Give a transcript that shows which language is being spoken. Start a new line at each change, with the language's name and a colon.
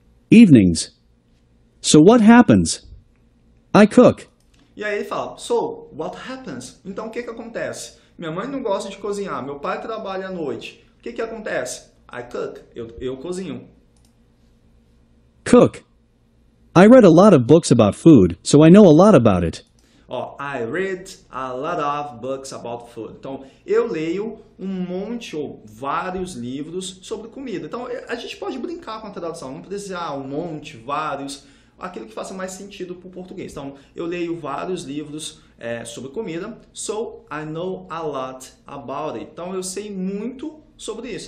English: Evenings. So what happens? I cook.
Portuguese: E aí ele fala,
English: so what happens?
Portuguese: Então o que que acontece? Minha mãe não gosta de cozinhar, meu pai trabalha à noite. O que que acontece?
English: I cook.
Portuguese: Eu cozinho.
English: Cook. I read a lot of books about food, so I know a lot about it. Oh, I read a lot of books about food.
Portuguese: Então, eu leio um monte ou vários livros sobre comida. Então, a gente pode brincar com a tradução. Não precisa um monte, vários, aquilo que faça mais sentido para o português. Então, eu leio vários livros sobre comida.
English: So, I know a lot about it.
Portuguese: Então, eu sei muito sobre isso.